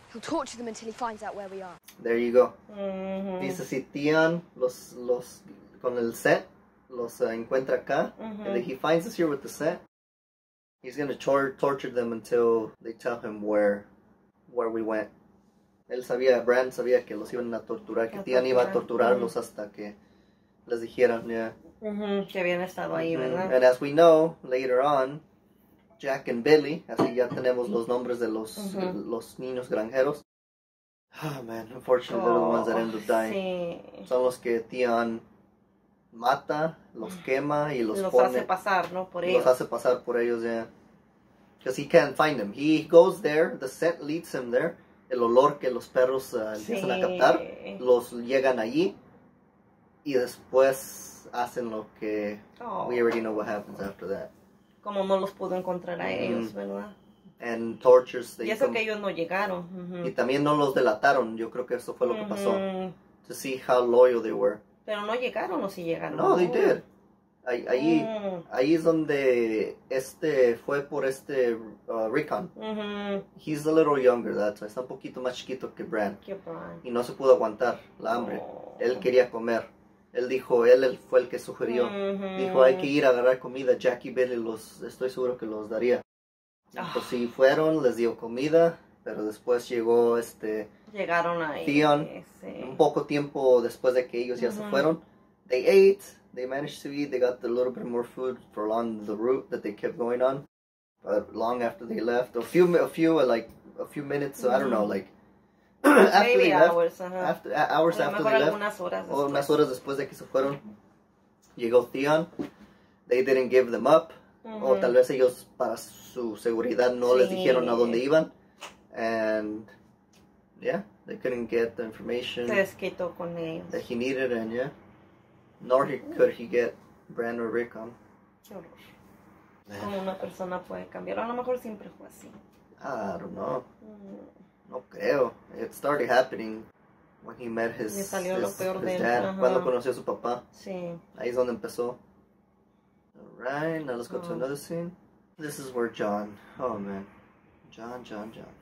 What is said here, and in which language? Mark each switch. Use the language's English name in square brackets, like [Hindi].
[English] He'll torture them until he finds out where we are. There you go. [Spanish] Dice si Theon los, con el set, los encuentra acá, [English] and then he finds us here with the set. He's going to torture them until they tell him where we went. [Spanish] Él sabía, Bran sabía que los iban a torturar, que Tian iba a torturarlos hasta que les dijeran, que habían estado ahí, ¿verdad? [English] And as we know, later on, Jack and Billy, [Spanish] así ya tenemos los nombres de los, los niños granjeros. [English] Oh, man, unfortunately, they're the ones that end up dying. [Spanish] Sí. Son los que Tian mata, los quema y los pone. Los hace pasar, ¿no? Por ellos. Los hace pasar por ellos, yeah. [English] Because he can't find them. He goes there, the scent leads him there. [Spanish] El olor que los perros empiezan a captar. Los llegan allí. Y después hacen lo que... Oh. [English] We already know what happens after that. [Spanish] Como no los pudo encontrar a ellos, ¿verdad? [English] And tortures. [Spanish] Y eso que ellos no llegaron. Y también no los delataron. Yo creo que eso fue lo que pasó. [English] To see how loyal they were. [Spanish] Pero no llegaron, o si llegaron. [English] No, they did. [Spanish] Ahí, ahí es donde este fue por este Rickon. [English] He's a little younger, that's why. [Spanish] Está un poquito más chiquito que Bran. Que Bran. Y no se pudo aguantar la hambre. Oh. Él quería comer. Él dijo, él fue el que sugirió. Dijo, hay que ir a agarrar comida. Jack y Billy, los, estoy seguro que los daría. Pues sí, fueron, les dio comida. Pero después llegó este... Llegaron ahí. Theon, un poco tiempo después de que ellos ya se fueron. [English] They ate. They managed to eat. They got a little bit more food for along the route that they kept going on. But long after they left. A few minutes. I don't know, like... after maybe they hours. [Spanish] Unas horas después de que se fueron. Llegó Theon. [English] They didn't give them up. [Spanish] O tal vez ellos, para su seguridad, no les dijeron a dónde iban. [English] And, yeah, they couldn't get the information that he needed, and yeah, nor could he get Bran or Rickon. [Spanish] Qué horror. Como una persona puede cambiar, a lo mejor siempre fue así. [English] I don't know. [Spanish] No creo. [English] It started happening when he met his dad. [Spanish] Cuando conoció a su papá. Sí. Ahí es donde empezó. [English] Alright, now let's go to another scene. This is where John, John.